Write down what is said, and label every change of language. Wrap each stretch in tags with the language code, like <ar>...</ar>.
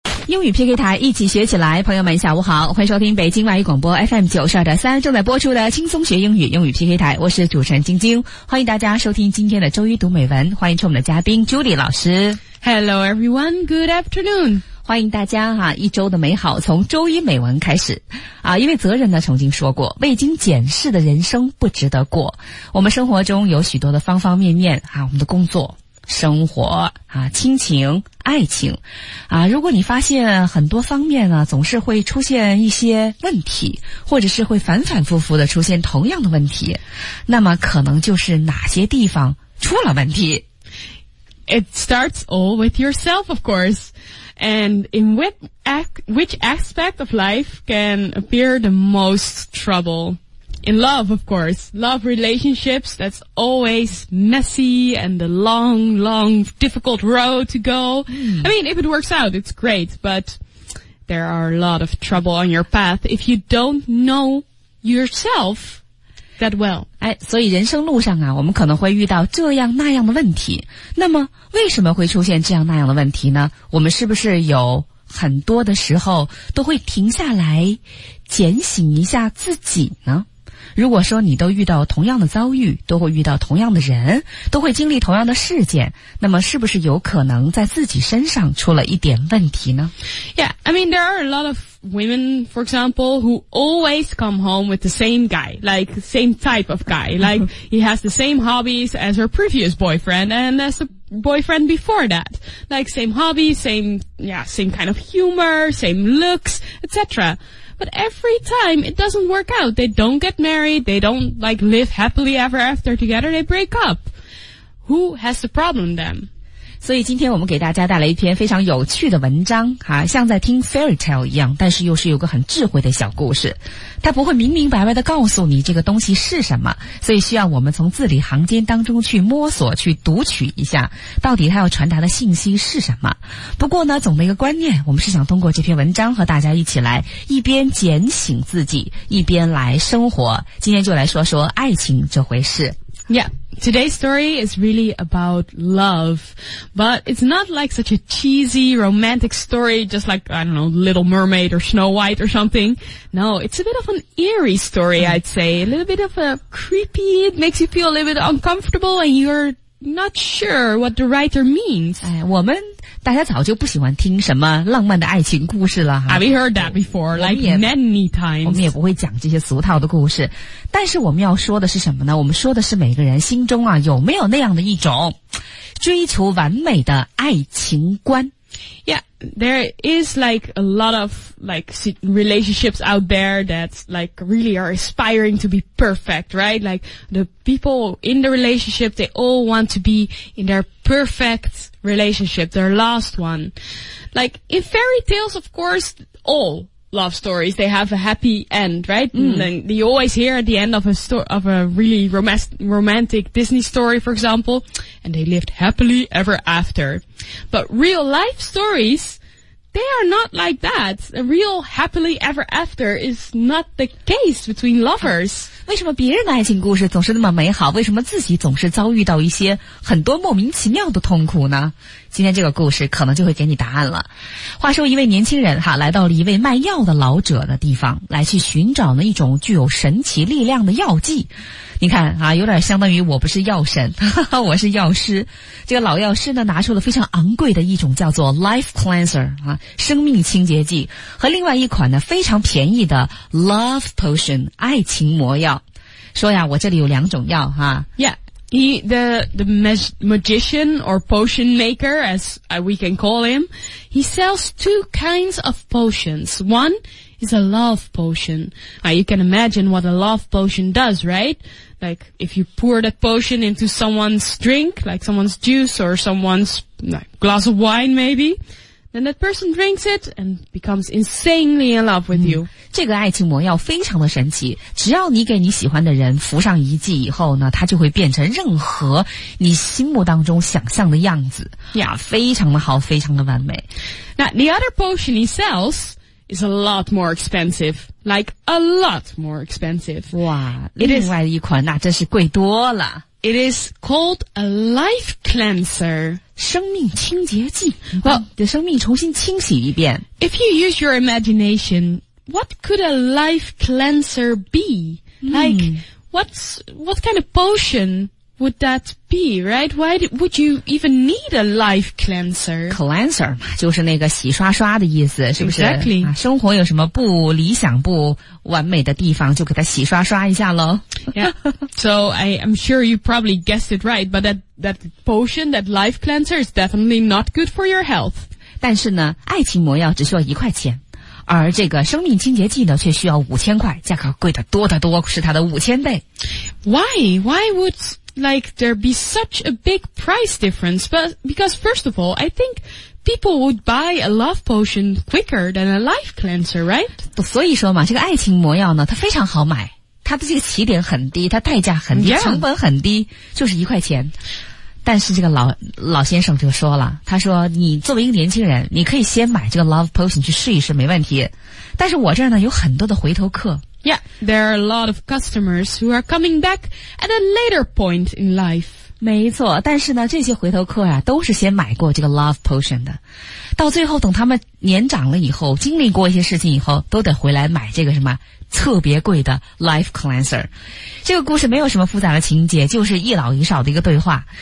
<zh>英语 PK 台一起学起来，朋友们下午好，欢迎收听北京外语广播 FM92.3 正在播出的轻松学英语英语 PK 台，我是主持人晶晶，欢迎大家收听今天的周一读美文，欢迎出我们的嘉宾 Julie 老师。</zh> <en>Hello everyone, good afternoon.</en> <zh>欢迎大家哈，一周的美好从周一美文开始啊！一位哲人呢曾经说过，未经检视的人生不值得过。我们生活中有许多的方方面面啊，我们的工作、生活啊、亲情、爱情啊，如果你发现很多方面呢总是会出现一些问题，或者是会反反复复的出现同样的问题，那么可能就是哪些地方出了问题。</zh> <en>It starts all with yourself, of course. And in which aspect of life can appear the most trouble? In love, of course. Love relationships, that's always messy and a long, long, difficult road to go. I mean, if it works out, it's great, but there are a lot of trouble on your path if you don't know yourself that well.</en> <zh>哎，所以人生路上啊，我们可能会遇到这样那样的问题。那么为什么会出现这样那样的问题呢？我们是不是有很多的时候都会停下来检省一下自己呢？如果说你都遇到同样的遭遇，都会遇到同样的人，都会经历同样的事件，那么是不是有可能在自己身上出了一点问题呢？</zh> <en>Yeah, I mean, there are a lot of women, for example, who always come home with the same guy, like same type of guy, like he has the same hobbies as her previous boyfriend and as the boyfriend before that, like same hobbies, same kind of humor, same looks, etc. But every time it doesn't work out. They don't get married. They don't like live happily ever after together. They break up. Who has the problem then?</en> <zh>所以今天我们给大家带来一篇非常有趣的文章，啊，像在听</zh> <en>fairy tale</en> <zh>一样，但是又是有个很智慧的小故事。它不会明明白白的告诉你这个东西是什么，所以需要我们从字里行间当中去摸索，去读取一下，到底它要传达的信息是什么。不过呢，总的一个观念，我们是想通过这篇文章和大家一起来一边检省自己，一边来生活。今天就来说说爱情这回事。</zh> <en>Yeah, today's story is really about love, but it's not like such a cheesy romantic story, just like, I don't know, Little Mermaid or Snow White or something. No, it's a bit of an eerie story, I'd say, a little bit of a creepy, it makes you feel a little bit uncomfortable and you're not sure what the writer means.</en> <zh>哎，我们大家早就不喜欢听什么浪漫的爱情故事了哈。</zh> <en>Have you heard that before? Like many times.</en> <zh>我们也不会讲这些俗套的故事。但是我们要说的是什么呢？我们说的是每个人心中啊，有没有那样的一种追求完美的爱情观。</zh> <en>Yeah, there is like a lot of like relationships out there that like really are aspiring to be perfect, right? Like the people in the relationship, they all want to be in their perfect relationship, their last one. Like in fairy tales, of course, all love stories, they have a happy end, right? And you always hear at the end of a really romantic Disney story, for example, and they lived happily ever after. But real life stories, they are not like that. A real happily ever after is not the case between lovers.</en> <zh>为什么别人的爱情故事总是那么美好？为什么自己总是遭遇到一些很多莫名其妙的痛苦呢？今天这个故事可能就会给你答案了。话说一位年轻人哈，来到了一位卖药的老者的地方，来去寻找呢一种具有神奇力量的药剂。你看啊，有点相当于我不是药神，哈哈，我是药师。这个老药师呢，拿出了非常昂贵的一种叫做</zh> <en>Life Cleanser</en> <zh>啊，生命清洁剂，和另外一款呢非常便宜的</zh> <en>Love Potion</en> <zh>爱情魔药。说呀，我这里有两种药哈。</zh> <en>Yeah. The magician or potion maker, as we can call him, he sells two kinds of potions. One is a love potion. Now, you can imagine what a love potion does, right? Like if you pour that potion into someone's drink, like someone's juice or someone's glass of wine maybe... Then that person drinks it and becomes insanely in love with you.</en> <zh>这个爱情魔药非常的神奇，只要你给你喜欢的人服上一剂以后呢，他就会变成任何你心目当中想象的样子。</zh> <en>Yeah,</en> <zh>非常的好，非常的完美。</zh> <en>Now, the other potion he sells is a lot more expensive. Like, a lot more expensive.</en> <zh>哇，另外一款那真是贵多了。</zh> <en>It is called a life cleanser.</en> <zh>生命清洁剂，把你的生命重新清洗一遍。</zh> <en>If you use your imagination, what could a life cleanser be? Like, what kind of potion would that be, right? Why would you even need a life cleanser?</en> <zh>Cleanser 嘛，就是那个洗刷刷的意思，是不是？</zh> <en>Exactly.</en> <zh>生活有什么不理想、不完美的地方，就给它洗刷刷一下咯。</zh> <en>Yeah. So I'm sure you probably guessed it right, but that potion, that life cleanser is definitely not good for your health.</en> <zh>但是呢，爱情魔药只需要一块钱。而这个生命清洁剂呢却需要5000块，价格贵得多得多，是它的5000倍。</zh> <en>Why would like there be such a big price difference? But because first of all, I think people would buy a love potion quicker than a life cleanser, right?</en> <zh>所以说嘛，这个爱情魔药呢它非常好买，它的这个起点很低，它代价很低、</zh> <en>yeah.</en> <zh>成本很低，就是一块钱。但是这个老先生就说了，他说你作为一个年轻人，你可以先买这个</zh> <en>love potion</en> <zh>去试一试，没问题。但是我这儿呢有很多的回头客。</zh> <en>Yeah, there are a lot of customers who are coming back at a later point in life.</en> <zh>没错，但是呢这些回头客啊都是先买过这个</zh> <en>love potion</en> <zh>的。到最后等他们年长了以后，经历过一些事情以后，都得回来买这个什么特别贵的</zh> <en>life cleanser。</en> <zh>这个故事没有什么复杂的情节，就是一老一少的一个对话。</zh>